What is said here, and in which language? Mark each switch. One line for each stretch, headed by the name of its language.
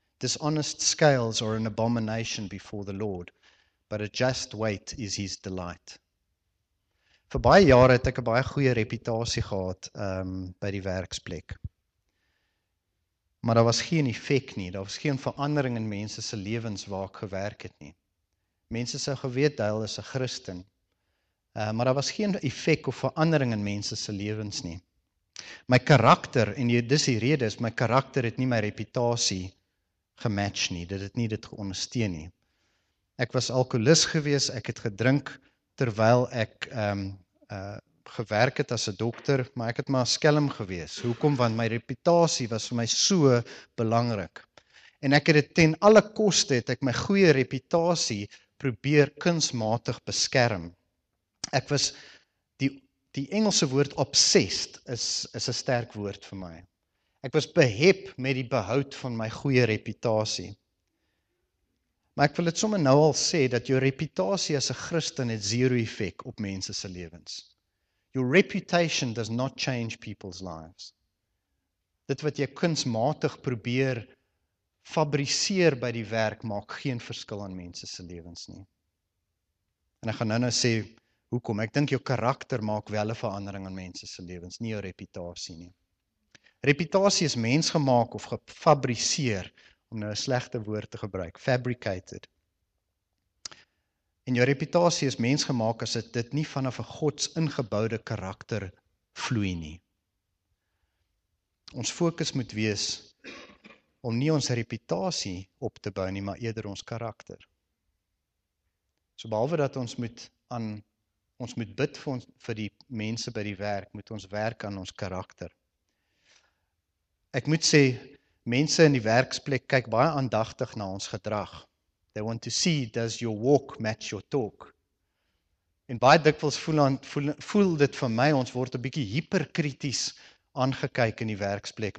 English: Dishonest scales are an abomination before the Lord, but a just weight is his delight.
Afrikaans: Vir baie jare het ek 'n baie goeie reputasie gehad by die werksplek. Maar daar was geen effek nie, daar was geen verandering in mense se lewens waar ek gewerk het nie. Mense sou geweet hy is 'n Christen. Maar daar was geen effek of verandering in mense se lewens nie. My karakter en dis die rede is my karakter het nie my reputasie gematch nie. Dit het nie dit ondersteun nie. Ek was alkoholis gewees, ek het gedrink terwyl ek gewerk het as 'n dokter, maar ek het maar skelm gewees. Hoekom? Want my reputasie was vir my so belangrik. En ek het dit ten alle koste het ek my goeie reputasie probeer kunsmatig beskerm. Ek was die Engelse woord obsessed is 'n sterk woord vir my. Ek was behep met die behoud van my goeie reputasie. Maar ek wil dit sommer nou al sê dat jou reputasie as 'n Christen het zero effek op mense se lewens.
English: Your reputation does not change people's lives.
Afrikaans: Dit wat jy kunsmatig probeer fabriseer by die werk maak geen verskil aan mense se lewens nie. En ek gaan nou sê hoekom. Ek dink jou karakter maak wel 'n verandering aan mense se lewens, nie jou reputasie nie. Reputasie is mensgemaak of gefabriseer, om nou 'n slegte woord te gebruik, fabricated. En jou reputasie is mensgemaak as dit nie vanaf 'n Gods ingeboude karakter vloei nie. Ons fokus moet wees om nie ons reputasie op te bou nie, maar eerder ons karakter. So behalwe dat ons moet bid vir ons vir die mense by die werk, moet ons werk aan ons karakter. Ek moet sê mense in die werksplek kyk baie aandagtig na ons gedrag.
English: They want to see does your walk match your talk.
Afrikaans: En baie dikwels voel dit vir my ons word 'n bietjie hiperkrities aangekyk in die werksplek.